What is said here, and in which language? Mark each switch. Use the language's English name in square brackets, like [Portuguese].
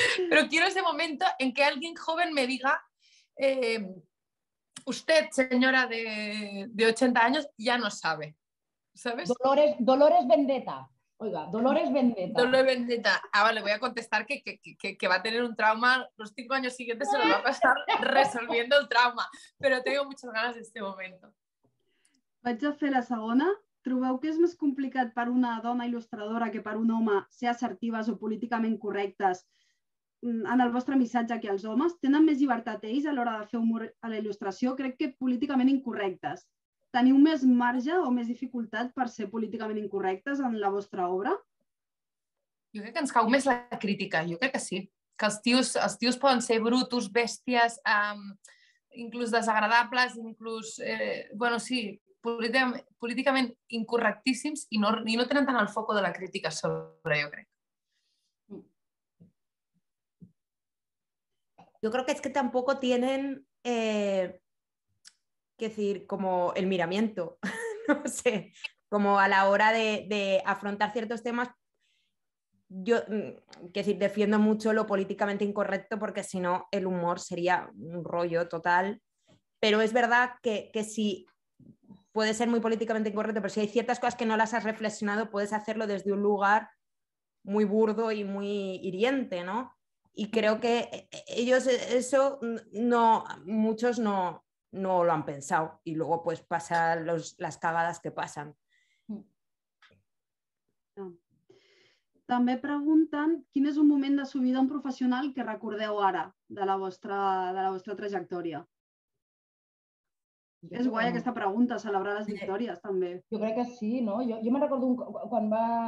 [Spanish] Pero quiero ese momento en que alguien joven me diga, usted, señora de 80 años, ya no sabe, ¿sabes? Dolores Vendetta. Oiga, Dolores Vendetta. Dolores Vendetta. Ah, vale, voy a contestar que va a tener un trauma. Los 5 años siguientes se lo va a pasar resolviendo el trauma. Pero tengo muchas ganas de este momento. [Catalan] Vaig a fer la segona. ¿Trobeu que és més complicat per una dona il·lustradora que per un home ser assertives o políticament correctes en el vostre missatge que els homes? Tenen més llibertat ells a l'hora de fer humor a la il·lustració? Crec que políticament incorrectes. ¿Teniu més marge o més dificultat per ser políticament incorrectes en la vostra obra? Jo crec que ens cau més la crítica, jo crec que sí. Que els tios poden ser brutos, bèsties, inclús desagradables, inclús, políticament incorrectíssims i no tenen tant el foco de la crítica sobre, jo crec. Jo crec que és que tampoc tenen... [Spanish] Quiero decir, como el miramiento, no sé, como a la hora de afrontar ciertos temas, yo, quiero decir, defiendo mucho lo políticamente incorrecto porque si no el humor sería un rollo total, pero es verdad que si puede ser muy políticamente incorrecto, pero si hay ciertas cosas que no las has reflexionado, puedes hacerlo desde un lugar muy burdo y muy hiriente, ¿no? Y creo que ellos eso, no, muchos no... no lo han pensado y luego pues pasa las cagadas que pasan. [Catalan] També pregunten quin és un moment de subida un professional que recordeu ara de la vostra trajectòria. És guai aquesta pregunta, celebrar les victòries també. Jo crec que sí, no? Jo me recordo quan va...